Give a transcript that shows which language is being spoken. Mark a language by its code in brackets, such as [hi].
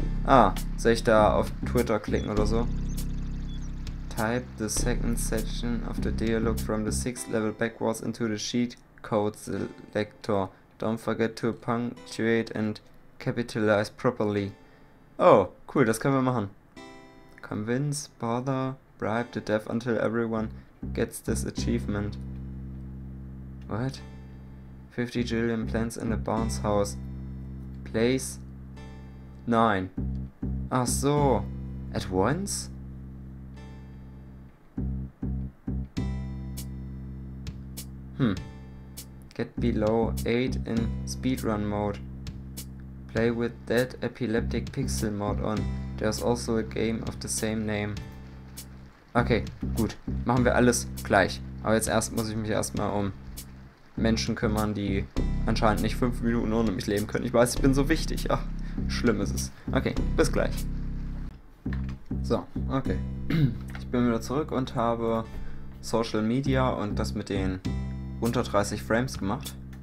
[de] Ah, soll ich da auf Twitter klicken oder so? [en] Type the second section of the dialogue from the sixth level backwards into the sheet code selector. Don't forget to punctuate and capitalize properly. [de] Oh, cool, das können wir machen. [en] Convince, bother... Bribe the dev until everyone gets this achievement. What? 50 Jillion plants in a bounce house. Place? 9. [de] Ach so. [en] At once? Get below 8 in speedrun mode. Play with that epileptic pixel mod on. There's also a game of the same name. [de] Okay, gut. Machen wir alles gleich. Aber jetzt erst muss ich mich erstmal um Menschen kümmern, die anscheinend nicht 5 Minuten ohne mich leben können. Ich weiß, ich bin so wichtig. Ach, schlimm ist es. Okay, bis gleich. So, okay. Ich bin wieder zurück und habe Social Media und das mit den unter 30 Frames gemacht.